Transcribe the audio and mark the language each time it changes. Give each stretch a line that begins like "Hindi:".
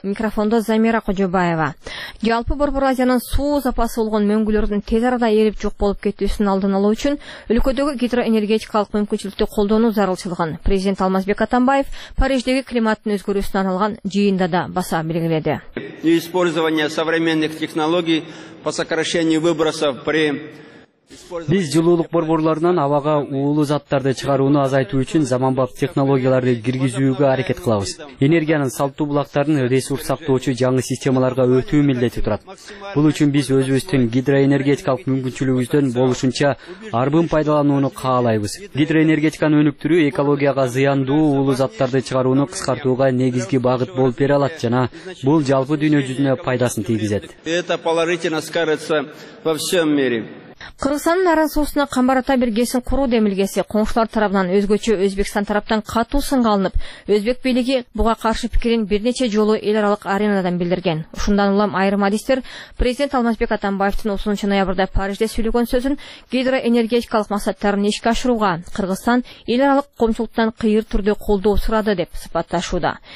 Kyrgyz: Микрофондо Замира Кожобаева. Жалпы Борбор Азиянын суу запасы болгон мөңгүлөрдүн тез арада эрип жок болуп кетүүсүн алдын алуу үчүн өлкөдөгү гидроэнергетикалык мүмкүнчүлүктү колдонуу зарылчылыгын президент Алмазбек Атамбаев Париждеги климаттын өзгөрүүсүнө арналган жыйында да баса белгиледи.
Russian: Использование современных технологий по сокращению выбросов при
Kyrgyz: Биз жылуулук борборлорунан абага уулуу заттарды чыгарууну азайтуу үчүн заманбап технологияларды киргизүүгө аракет кылабыз. Энергиянын салттуу булактарын ресурс сактоочу жаңы системаларга өтүү милдети турат. Бул үчүн биз өзүбүздүн гидроэнергетикалык мүмкүнчүлүгүбүздөн болушунча арбын пайдаланууну каалайбыз. Гидроэнергетиканы өнүктүрүү экологияга зыяндуу уулуу заттарды чыгарууну кыскартууга негизги багыт болуп бере алат жана бул жалпы дүйнө жүзүнө пайдасын тийгизет.
Russian: Это положительно скажется во всем мире.
Kyrgyz: Кыргызстандын Аран суусуна Камбар Ата биргесин куруу демилгеси коңшулар тарабынан өзгөчө Өзбекстан тараптан катуу сынга алынып, өзбек бийлиги буга каршы пикирин бир нече жолу эл аралык аренадан билдирген. Ушундан улам айрым адистер президент Алмазбек Атамбаевдин 30 ноябрда Парижде сүйлөгөн сөзүн гидроэнергетикалык максаттарын ишке ашырууга Кыргызстан эл аралык коомчулуктан кыйыр түрдө колдоо сурады деп сыпатташууда.